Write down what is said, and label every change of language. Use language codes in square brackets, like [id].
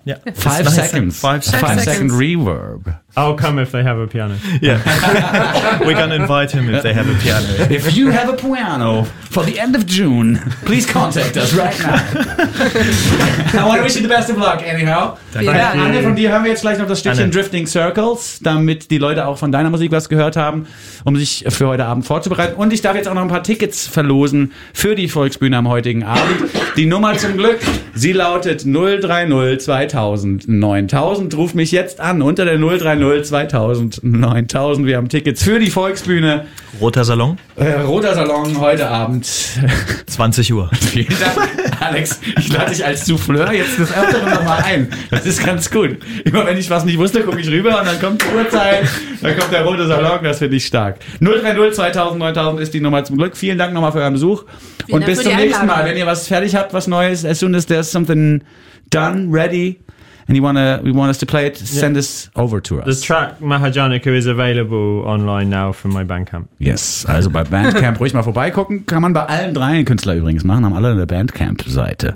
[en] Yeah. Five second reverb. I'll come if they have a piano. Yeah. We're going to invite him if they have a piano. If you have a piano for the end of June, please contact us right now. I want to wish you the best of luck, anyhow. Thank you. [de] Anne, von dir hören wir jetzt gleich noch das Stückchen Drifting Circles, damit die Leute auch von deiner Musik was gehört haben, um sich für heute Abend vorzubereiten. Und ich darf jetzt auch noch ein paar Tickets verlosen für die Volksbühne am heutigen Abend. Die Nummer zum Glück, sie lautet 030 2000 9000. Ruf mich jetzt an unter der 030 2000 9000. Wir haben Tickets für die Volksbühne. Roter Salon. Roter Salon heute Abend. 20 Uhr. Vielen Dank, Alex. Ich lade dich als Souffleur jetzt das Öfteren nochmal ein. Das ist ganz gut. Immer wenn ich was nicht wusste, gucke ich rüber und dann kommt die Uhrzeit. Dann kommt der rote Salon. Das finde ich stark. 030 2000 9000 ist die Nummer zum Glück. Vielen Dank nochmal für euren Besuch. Und bis zum nächsten Mal, wenn ihr was fertig habt, was Neues, [en] as soon as there's something done, ready, and you want us to play it, send us over to us. The track Mahajanika is available online now from my Bandcamp. [de] Yes, also bei Bandcamp ruhig mal vorbeigucken. Kann man bei allen drei Künstlern übrigens machen, haben alle eine Bandcamp-Seite.